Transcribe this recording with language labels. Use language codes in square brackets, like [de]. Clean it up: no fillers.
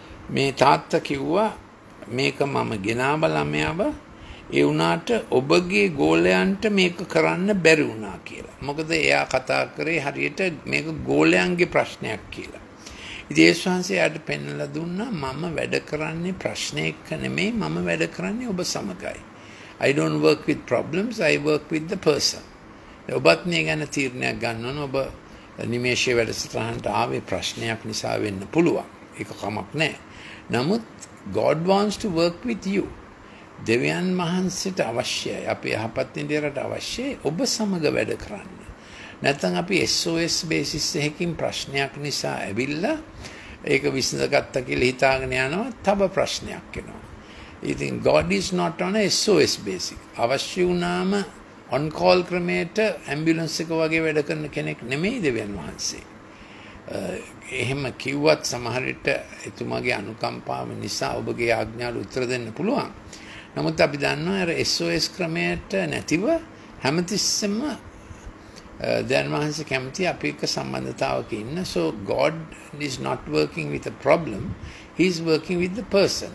[si] මේ තාත්තා කිව්වා මේක මම ගෙනාව ළමයාව ඒ වුණාට ඔබගේ ගෝලයන්ට මේක කරන්න බැරි වුණා කියලා මොකද එයා කතා කරේ හරියට මේක ගෝලයන්ගේ ප්‍රශ්නයක් කියලා ඉතින් ඒ ශාන්සේ එයාට පෙන්නලා දුන්නා මම වැඩ කරන්නේ ප්‍රශ්නයක නෙමෙයි මම වැඩ කරන්නේ ඔබ සමගයි [en] I don't work with problems, I work with the person. [si] ඔබත් මේ ගැන තීරණයක් ගන්න ඕන ඔබ නිමේෂයේ වැඩසටහනට ආවේ ප්‍රශ්නයක් නිසා වෙන්න පුළුවන්. ඒක කමක් නැහැ. නමුත් [en] God wants to work with you. [si] දෙවියන් මහන්සිට අවශ්‍යයි. අපි යහපත් ඉන්දියරට අවශ්‍යයි ඔබ සමග වැඩ කරන්න. නැත්නම් අපි SOS basis එකකින් ප්‍රශ්නයක් නිසා ඇවිල්ලා ඒක විසඳගත්ත කියලා හිතාගෙන යනවා තව ප්‍රශ්නයක් එනවා. ඉතින් [en] God is not on a SOS basis. [si] අවශ්‍ය වුණාම on call ක්‍රමයට ඇම්බියුලන්ස් එක වගේ වැඩ කරන කෙනෙක් නෙමෙයි දෙවියන් වහන්සේ. එහෙම කිව්වත් සමහර විට එතුමාගේ අනුකම්පාව නිසා ඔබගේ ආඥාවට උත්තර දෙන්න පුළුවන්. නමුත් අපි දන්නවා අර SOS ක්‍රමයට නැතිව හැමතිස්සෙම දෙවියන් වහන්සේ කැමති අපි එක්ක සම්බන්ධතාවක ඉන්න. [en] So God is not working with a problem. He's working with the person.